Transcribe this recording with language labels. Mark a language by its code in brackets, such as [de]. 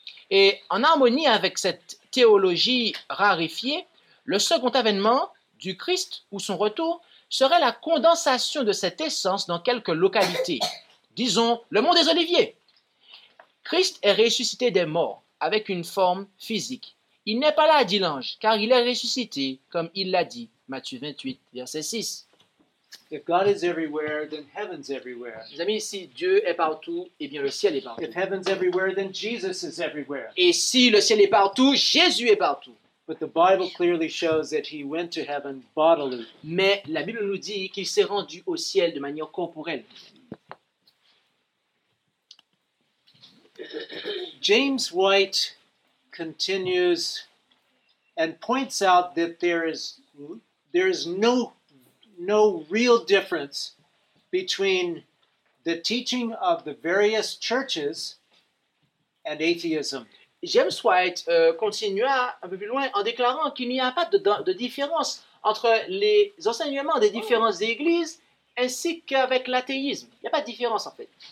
[fr] Et en harmonie avec cette théologie raréfiée, le second avènement du Christ ou son retour serait la condensation de cette essence dans quelques localités. Disons, le mont des Oliviers. Christ est ressuscité des morts avec une forme physique. Il n'est pas là, dit l'ange, car il est ressuscité, comme il l'a dit, Matthieu 28, verset 6. [en] If God is everywhere, then heaven's everywhere. [fr] Mes amis, si Dieu est partout, eh bien le ciel est partout. [en] If heaven's everywhere, then Jesus is everywhere. [fr] Et si le ciel est partout, Jésus est partout. [en] But the Bible clearly shows that he went to heaven bodily. [fr] Mais la Bible nous dit qu'il s'est rendu au ciel de manière corporelle. [en] James White continues and points out that there is no real difference between the teaching of the various churches and atheism. [fr] James White continua un peu plus loin en déclarant qu'il n'y a pas de différence entre les enseignements des différentes églises ainsi qu'avec l'athéisme. Il n'y a pas de différence en fait.